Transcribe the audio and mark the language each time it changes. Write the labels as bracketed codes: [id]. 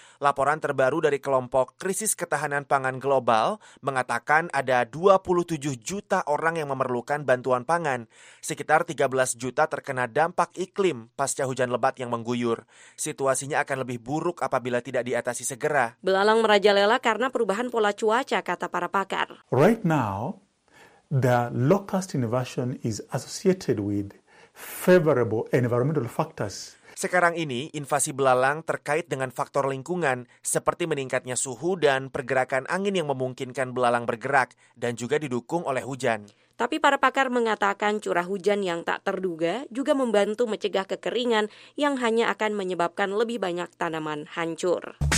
[id] Laporan terbaru dari kelompok Krisis Ketahanan Pangan Global mengatakan ada 27 juta orang yang memerlukan bantuan pangan. Sekitar 13 juta terkena dampak iklim pasca hujan lebat yang mengguyur. Situasinya akan lebih buruk apabila tidak diatasi segera. Belalang merajalela karena perubahan pola cuaca, kata para pakar. [en] Right now, The locust invasion is associated with favorable environmental factors. [id] Sekarang ini, invasi belalang terkait dengan faktor lingkungan seperti meningkatnya suhu dan pergerakan angin yang memungkinkan belalang bergerak dan juga didukung oleh hujan. Tapi para pakar mengatakan curah hujan yang tak terduga juga membantu mencegah kekeringan yang hanya akan menyebabkan lebih banyak tanaman hancur.